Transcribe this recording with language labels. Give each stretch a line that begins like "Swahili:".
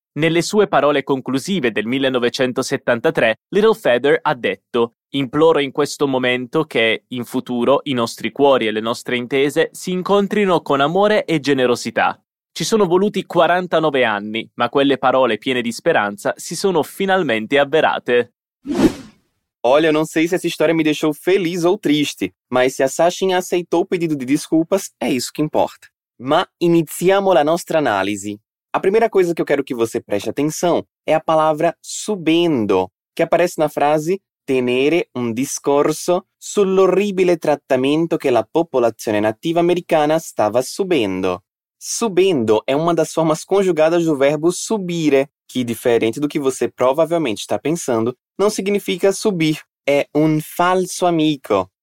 Italian: Nelle sue parole conclusive del 1973, Little Feather ha detto «Imploro in questo momento che, in futuro, i nostri cuori e le nostre intese si incontrino con amore e generosità». Ci sono voluti 49 anni, ma quelle parole piene di speranza si sono finalmente avverate.
Portuguese: Olha, non sei se essa história me deixou feliz ou triste, mas se a Sasheen aceitou o pedido de desculpas, é isso que importa.
Italian: Ma iniziamo la nostra analisi.
Portuguese: A primeira coisa que eu quero que você preste atenção é a palavra subendo, que aparece na frase
Italian: tenere un discorso sull'orribile trattamento che la popolazione nativa americana stava subendo.
Portuguese: Subendo é uma das formas conjugadas do verbo subire, que, diferente do que você provavelmente está pensando, não significa subir, é
Italian: un falso amico.